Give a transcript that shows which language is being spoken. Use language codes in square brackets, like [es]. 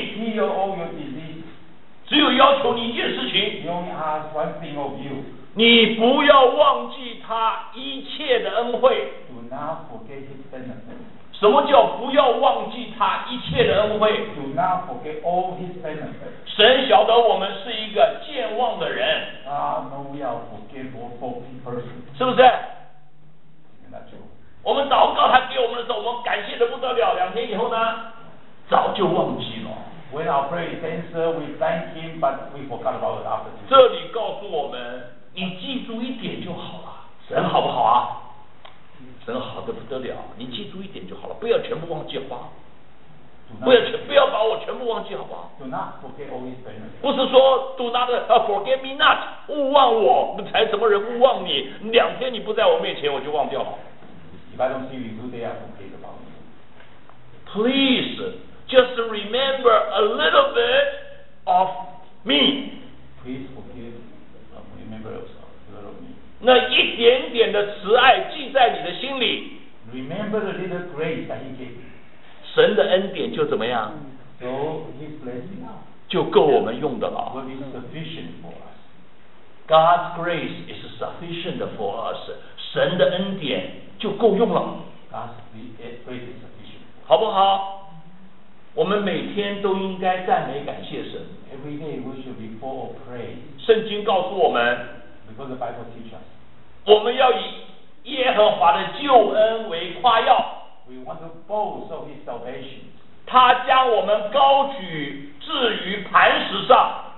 [en] He healed all your disease。 [zh] 只有要求你一件事情。 [en] He only asks one thing of you。 [zh] 你不要忘记他一切的恩惠。 [en] Do not forget his benefits。 [zh] 什么叫不要忘记他一切的恩惠 [en] ？Do not forget all his benefits。 [zh] 神晓得我们是一个健忘的人。 [en] God knows we are forgetful person。 [zh] 是不是？那就。我们祷告他给我们的时候，我们感谢的不得了。两天以后呢，早就忘记了。 [en] When our prayer ends, we thank him, but we forgot about it after. [zh] 这里告诉我们，你记住一点就好了。神好不好啊？真好的不得了，你记住一点就好了，不要全部忘记花，不要把我全部忘记好不好？ [en] Do not forget all his benefits。 [zh] 不是说 [en] do not forget me not， [zh] 勿忘我，才什么人勿忘你？两天你不在我面前，我就忘掉了。 [en] If I don't see you, do they have forget about me? Please just remember a little bit of me. Please forgive, remember yourself. [zh] 那一点点的慈爱记在你的心里。 [en] Remember the little grace that he gave. [zh] 神的恩典就怎么样？ [en] So his blessing now. [zh] 就够我们用的了。 [en] Will be sufficient for us. God's grace is sufficient for us. [zh] 神的恩典就够用了。 [en] God's grace is sufficient. [zh] 好不好？我们每天都应该赞美感谢神。 [en] Every day we should be full of praise. [zh] 圣经告诉我们。 [en] Because the Bible teaches us, [zh] 我们要以耶和华的救恩为夸耀。 [en] We want to boast of His salvation. [zh] 他将我们高举置于磐石上。